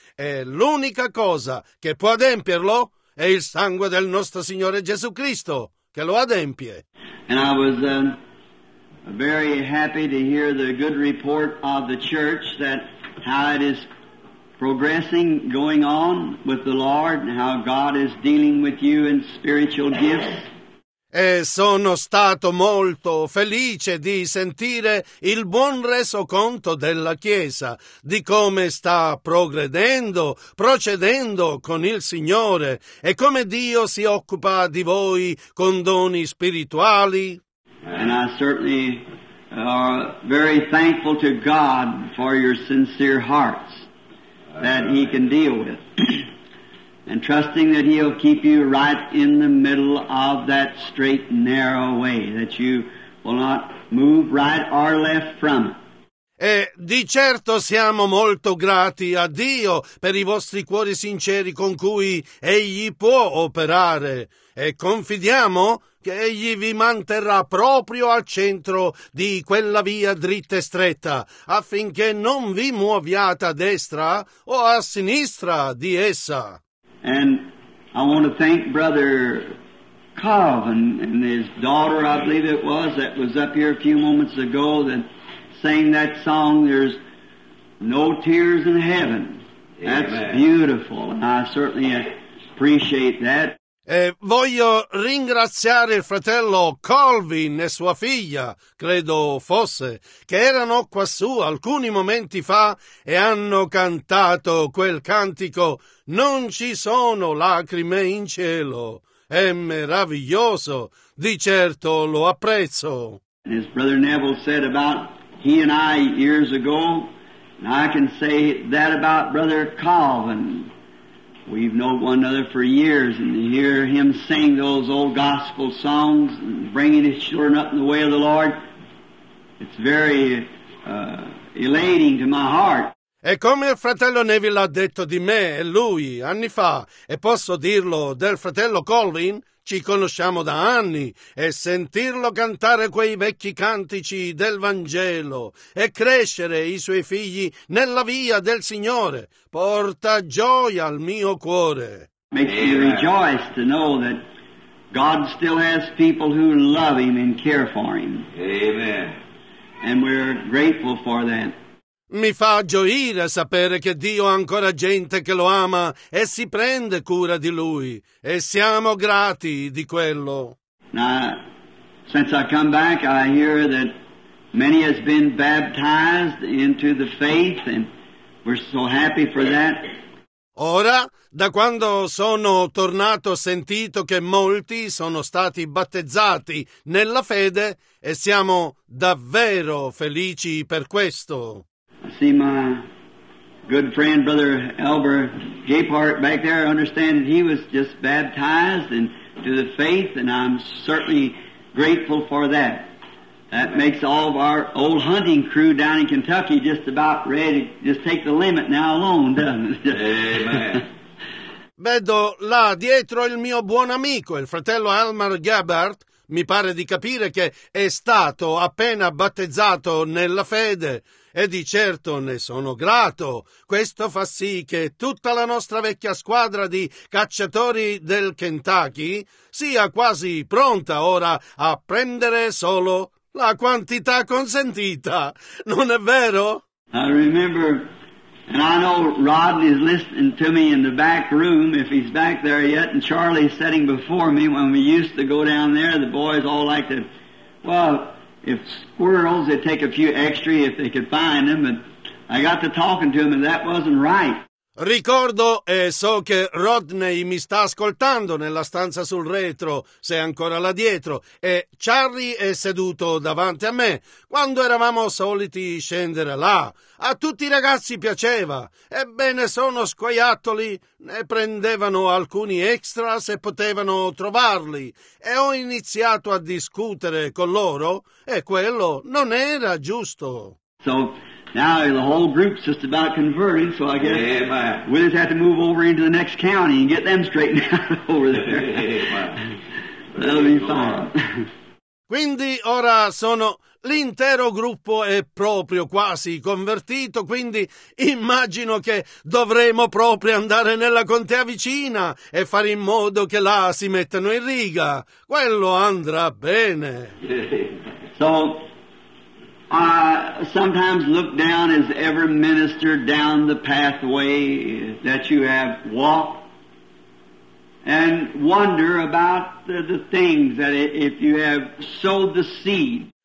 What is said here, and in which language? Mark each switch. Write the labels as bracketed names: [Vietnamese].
[Italian] E l'unica cosa che può adempierlo è il sangue del nostro Signore Gesù Cristo che lo adempie. [English] And I was very happy to hear the good report of the church that how it is progressing, going on with the Lord, and how God is dealing with you in spiritual gifts. [Italian] E sono stato molto felice di sentire il buon resoconto della Chiesa, di come sta procedendo con il Signore e come Dio si occupa di voi con doni spirituali. [English] And I certainly are very thankful to God for your sincere hearts that He can deal with. And trusting that He'll keep you right in the middle of that straight, narrow way, that you will not move right or left from it. [Italian] E di certo siamo molto grati a Dio per i vostri cuori sinceri con cui Egli può operare. E confidiamo che Egli vi manterrà proprio al centro di quella via dritta e stretta, affinché non vi muoviate a destra o a sinistra di essa. [English] And I want to thank Brother Cobb and his daughter, I believe it was, that was up here a few moments ago that sang that song, "There's No Tears in Heaven." Amen. That's beautiful, and I certainly appreciate that. [Italian] Voglio ringraziare il fratello Colvin e sua figlia, credo fosse, che erano quassù alcuni momenti fa e hanno cantato quel cantico "Non ci sono lacrime in cielo". È meraviglioso, di certo lo apprezzo. [English] As Brother Neville said about he and I years ago, and I can say that about Brother Colvin. We've known one another for years, and to hear him sing those old gospel songs and bringing his children up in the way of the Lord, it's very elating to my heart. [Italian] E come il fratello Neville ha detto di me e lui anni fa, e posso dirlo del fratello Colvin, ci conosciamo da anni, e sentirlo cantare quei vecchi cantici del Vangelo e crescere i suoi figli nella via del Signore porta gioia al mio cuore. [English] Makes me rejoice to know that God still has people who love Him and care for Him. Amen. And we're grateful for that. [Italian] Mi fa gioire sapere che Dio ha ancora gente che lo ama e si prende cura di lui, e siamo grati di quello. [English] Now, since I come back, I hear that many has been baptized into the faith, and we're so happy for that. [Italian] Ora, da quando sono tornato, ho sentito che molti sono stati battezzati nella fede, e siamo davvero felici per questo. [English] I see my good friend, Brother Elber Gapehart, back there. I understand that he was just baptized into the faith, and I'm certainly grateful for that. That makes all of our old hunting crew down in Kentucky just about ready to just take the limit now alone, doesn't it? Amen. [Italian] Vedo là dietro il mio buon amico, il fratello Elmer Gabbard. Mi pare di capire che è stato appena battezzato nella fede. E di certo ne sono grato. Questo fa sì che tutta la nostra vecchia squadra di cacciatori del Kentucky sia quasi pronta ora a prendere solo la quantità consentita. Non è vero? [English] I remember, and I know Rodney's listening to me in the back room, if he's back there yet, and Charlie's sitting before me when we used to go down there. The boys all like to, well, if squirrels, they'd take a few extra if they could find them, but I got to talking to him, and that wasn't right. [Italian] Ricordo e so che Rodney mi sta ascoltando nella stanza sul retro, se ancora là dietro, e Charlie è seduto davanti a me, quando eravamo soliti scendere là. A tutti i ragazzi piaceva, ebbene sono scoiattoli, ne prendevano alcuni extra se potevano trovarli, e ho iniziato a discutere con loro, e quello non era giusto. [English] So now the whole group's just about converting, so I guess we'll just have to move over into the next county and get them straightened out over there. That'll be fine. [Italian] Quindi ora sono l'intero gruppo è proprio quasi convertito, quindi immagino che dovremo proprio andare nella contea vicina e fare in modo che là si mettano in riga. Quello andrà bene. [English] So I sometimes look down as every minister down the pathway that you have walked and wonder about the things that if you have sowed the seed.